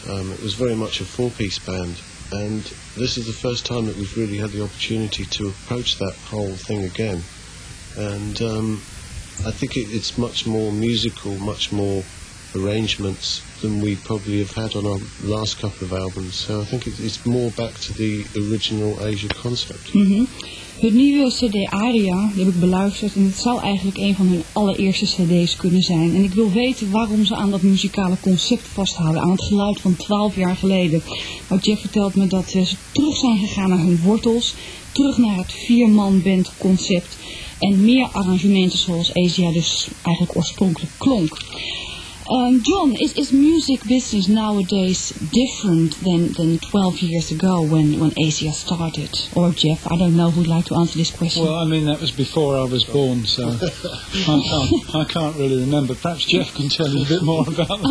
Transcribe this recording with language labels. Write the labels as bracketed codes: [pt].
[en] It was very much a four-piece band, and this is the first time that we've really had the opportunity to approach that whole thing again. And I think it's much more musical, much more arrangements than we probably have had on our last couple of albums. So I think it's more back to the original Asia concept. Mm-hmm. [nl] Het nieuwe cd Aria, die heb ik beluisterd en het zou eigenlijk een van hun allereerste cd's kunnen zijn. En ik wil weten waarom ze aan dat muzikale concept vasthouden, aan het geluid van 12 jaar geleden. Nou, Jeff vertelt me dat ze terug zijn gegaan naar hun wortels, terug naar het vierman-band concept en meer arrangementen zoals Asia dus eigenlijk oorspronkelijk klonk. [en] John, is music business nowadays different than 12 years ago when Asia started? Or Jeff, I don't know who'd like to answer this question. Well, I mean, that was before I was born, so I can't really remember. Perhaps Jeff can tell you a bit more about that.